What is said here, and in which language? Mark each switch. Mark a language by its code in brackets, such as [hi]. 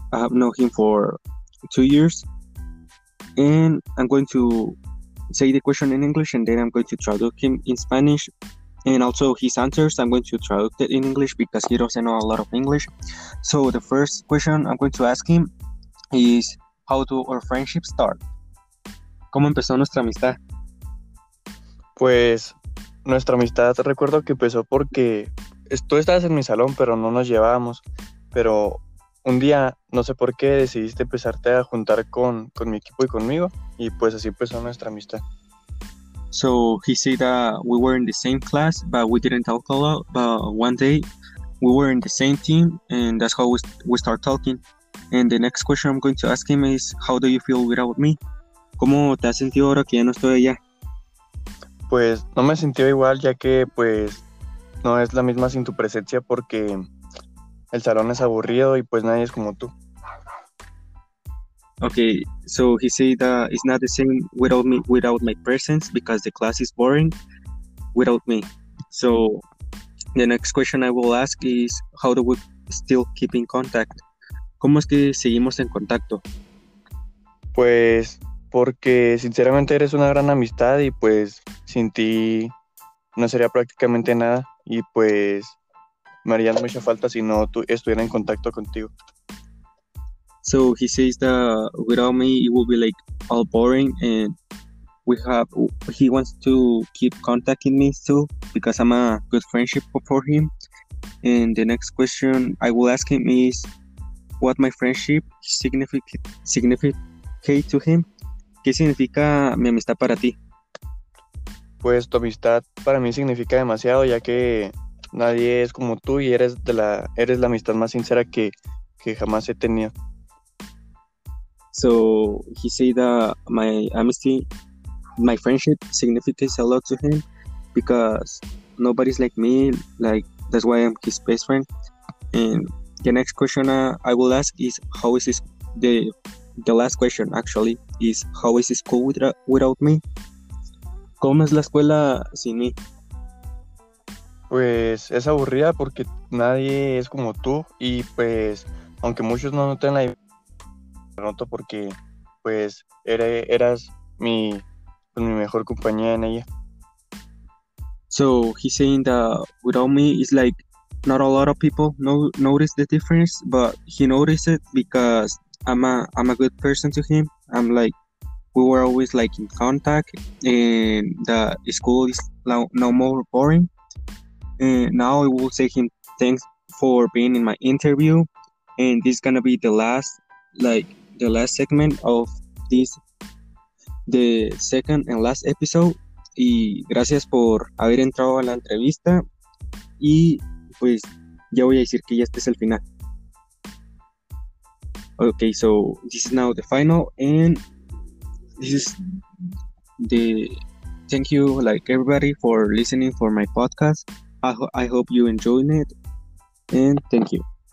[en] I have known him for 2 years, and I'm going to say the question in English and then I'm going to traduce him in Spanish, and also his answers I'm going to translate it in English because he doesn't know a lot of English. So the first question I'm going to ask him is, how do our friendship start? [es] ¿Cómo empezó nuestra amistad? Pues nuestra amistad recuerdo que empezó porque tú estabas en mi salón, pero no nos llevábamos. Pero un día, no sé por qué, decidiste empezarte a juntar con mi equipo y conmigo. Y pues así empezó nuestra amistad. [en] So, he said that we were in the same class, but we didn't talk a lot. But one day, we were in the same team, and that's how we start talking. And the next question I'm going to ask him is, how do you feel without me? [es] ¿Cómo te has sentido ahora que ya no estoy allá? Pues, no me sentí igual, ya que, pues, no es la misma sin tu presencia porque el salón es aburrido y pues nadie es como tú. [en] Okay, so he said that it's not the same without me, without my presence, because the class is boring without me. So the next question I will ask is, how do we still keep in contact? [es] ¿Cómo es que seguimos en contacto? Pues porque sinceramente eres una gran amistad y pues sin ti no sería prácticamente nada. Y pues me haría mucha falta si no estuviera en contacto contigo. [en] So he says that without me it will be like all boring, and he wants to keep contacting me too because I'm a good friendship for him. And the next question I will ask him is, what my friendship significate to him? [es] ¿Qué significa mi amistad para ti? Pues tu amistad para mí significa demasiado, ya que nadie es como tú y eres la amistad más sincera que jamás he tenido. [en] So he said that my friendship significates a lot to him because nobody's like me, like that's why I'm his best friend. And the next question I will ask is, how is this, the last question actually is, how is this school without me? [es] ¿Cómo es la escuela sin mí? Pues es aburrida porque nadie es como tú y pues aunque muchos no noten la diferencia, lo noto porque pues eras mi mejor compañía en ella. [en] So he's saying that without me it's like not a lot of people notice the difference, but he noticed it because I'm a good person to him. I'm like, we were always like in contact, and the school is no more boring. And now I will say him thanks for being in my interview, and this is gonna be the last segment of this, the second and last episode. [es] Y gracias por haber entrado a la entrevista. Y pues ya voy a decir que ya este es el final. [en] Okay, so this is now the final, and this is the thank you, like, everybody for listening for my podcast. I hope you enjoyed it, and thank you.